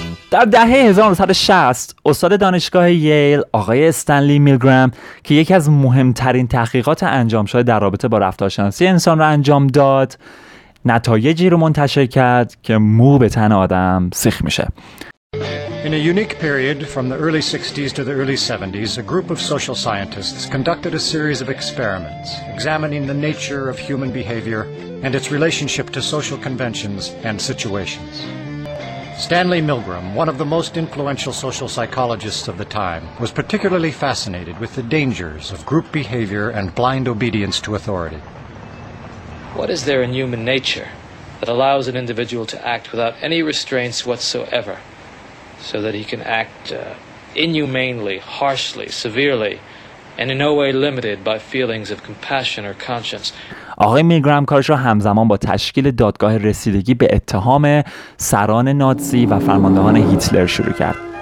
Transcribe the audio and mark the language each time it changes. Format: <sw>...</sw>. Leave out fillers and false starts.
<fa>در دهه 1960 استاد دانشگاه ییل آقای استنلی میلگرام که یکی از مهمترین تحقیقات انجام شده در رابطه با رفتارشناسی انسان را انجام داد، نتایجی رو منتشر کرد که مو به تن آدم سیخ میشه.</fa> <en>In a unique period from the early 60s to the early 70s, a group of social scientists conducted a series of experiments examining the nature of human behavior and its relationship to social conventions and situations. Stanley Milgram, one of the most influential social psychologists of the time, was particularly fascinated with the dangers of group behavior and blind obedience to authority. What is there in human nature that allows an individual to act without any restraints whatsoever, so that he can act inhumanely, harshly, severely, and in no way limited by feelings of compassion or conscience?</en> <fa>آقای میلگرام کارش رو همزمان با تشکیل دادگاه رسیدگی به اتهام سران نازی و فرماندهان هیتلر شروع کرد.</fa>